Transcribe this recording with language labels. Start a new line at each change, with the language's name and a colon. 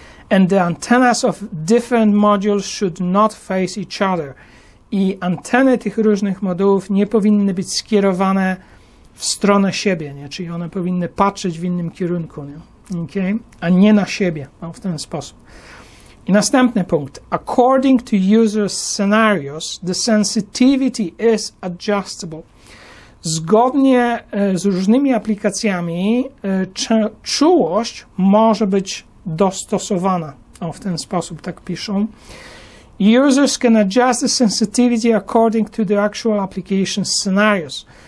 English: And the antennas of different modules should not face each other.
Polish: I anteny tych różnych modułów nie powinny być skierowane w stronę siebie, nie? Czyli one powinny patrzeć w innym kierunku, nie? Okay? A nie na siebie, no, w ten sposób. I następny punkt.
English: According to user scenarios, the sensitivity is adjustable.
Polish: Zgodnie z różnymi aplikacjami czułość może być dostosowana. O, w ten sposób tak piszą.
English: Users can adjust the sensitivity according to the actual application scenarios.